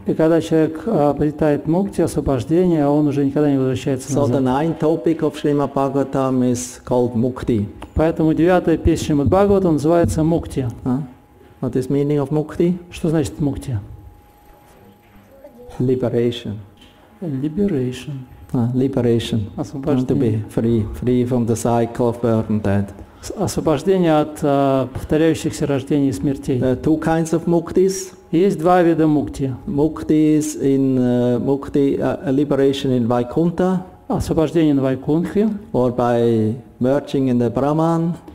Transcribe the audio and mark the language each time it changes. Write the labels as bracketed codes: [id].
[ru] И когда человек обретает мукти, освобождение, он уже никогда не возвращается назад. [en] So the ninth topic of Shrimad Bhagavatam is called mukti. [ru] Поэтому девятая песня Шримад Бхагаватам называется мукти. [en] What is meaning of mukti? [ru] Что значит мукти? [en] Liberation. Liberation. Liberation. [ru] Освобождение. [en] To be free from the cycle of birth and death. [ru] Освобождение от повторяющихся рождений и смертей. [en] Two kinds of muktis. [ru] Есть два вида мукти. [en] Muktis in mukti liberation in Vaikuntha. [ru] Освобождение на Вайкунхе. [en] Or by merging in the Brahman.